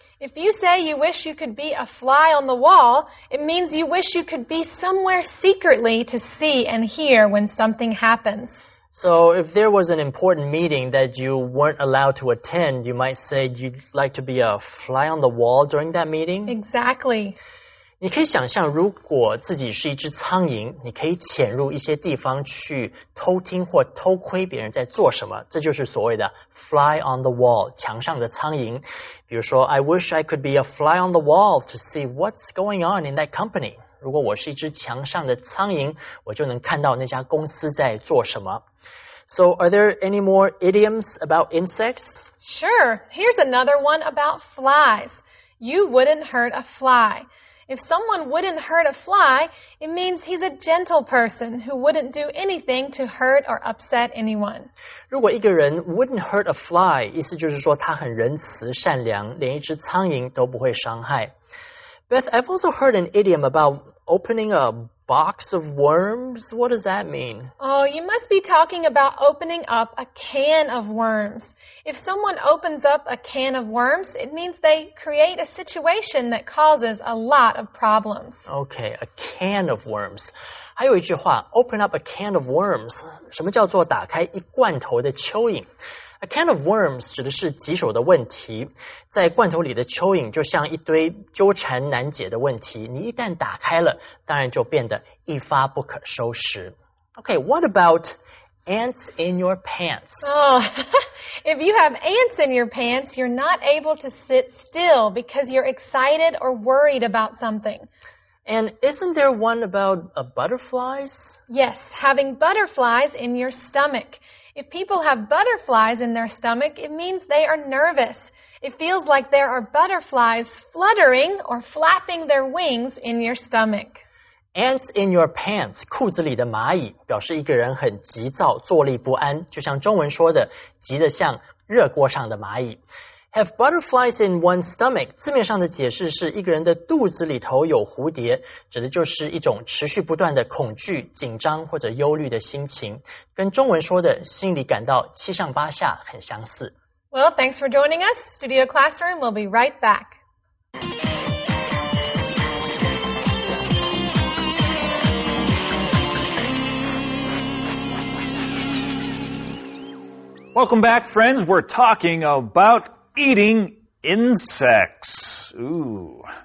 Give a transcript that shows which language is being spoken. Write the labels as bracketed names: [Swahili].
[English] If you say you wish you could be a fly on the wall, it means you wish you could be somewhere secretly to see and hear when something happens. So if there was an important meeting that you weren't allowed to attend, you might say you'd like to be a fly on the wall during that meeting? Exactly. [Chinese] 你可以想象如果自己是一只苍蝇，你可以潜入一些地方去偷听或偷窥别人在做什么，这就是所谓的 [English] fly on the wall, [Chinese] 墙上的苍蝇。比如说 [English] I wish I could be a fly on the wall to see what's going on in that company. [Chinese] 如果我是一只墙上的苍蝇，我就能看到那家公司在做什么。 [English] So are there any more idioms about insects? Sure, here's another one about flies. You wouldn't hurt a fly. If someone wouldn't hurt a fly, it means he's a gentle person who wouldn't do anything to hurt or upset anyone. [Chinese] 如果一个人 [English] wouldn't hurt a fly, [Chinese] 意思就是说他很仁慈善良，连一只苍蝇都不会伤害。 [English] Beth, I've also heard an idiom about opening a box of worms. What does that mean? Oh, you must be talking about opening up a can of worms. If someone opens up a can of worms, it means they create a situation that causes a lot of problems. Okay, a can of worms. [Chinese] 还有一句话, [English] open up a can of worms. [Chinese] 什么叫做打开一罐头的蚯蚓? [English] A can of worms [Chinese] 指的是棘手的问题。在罐头里的蚯蚓就像一堆纠缠难解的问题。你一旦打开了，当然就变得一发不可收拾。 [English] Okay, what about ants in your pants? Oh, if you have ants in your pants, you're not able to sit still because you're excited or worried about something. And isn't there one about butterflies? Yes, having butterflies in your stomach. If people have butterflies in their stomach, it means they are nervous. It feels like there are butterflies fluttering or flapping their wings in your stomach. Ants in your pants, [Chinese] 裤子里的蚂蚁表示一个人很急躁，坐立不安，就像中文说的，急得像热锅上的蚂蚁。 [English] Have butterflies in one's stomach, [Chinese] 字面上的解释是一个人的肚子里头有蝴蝶，指的就是一种持续不断的恐惧、紧张或者忧虑的心情，跟中文说的心里感到七上八下很相似。 [English] Well, thanks for joining us. Studio Classroom, we'll be right back. Welcome back, friends. We're talking about... Eating insects. Ooh.